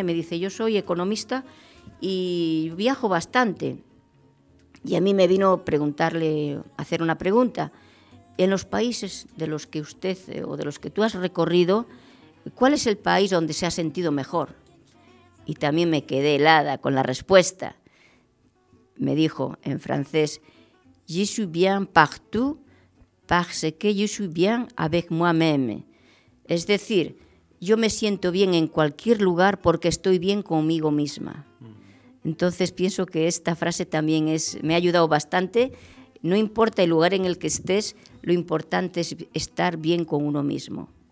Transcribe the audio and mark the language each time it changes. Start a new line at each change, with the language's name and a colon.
Spanish: Y me dice: yo soy economista y viajo bastante. Y a mí me vino hacer una pregunta. En los países de los que usted o de los que tú has recorrido, ¿cuál es el país donde se ha sentido mejor? Y también me quedé helada con la respuesta. Me dijo en francés:
French: je suis bien partout parce que je suis bien avec moi-même.
Spanish: Es decir, yo me siento bien en cualquier lugar porque estoy bien conmigo misma. Entonces pienso que esta frase también me ha ayudado bastante. No importa el lugar en el que estés, lo importante es estar bien con uno mismo.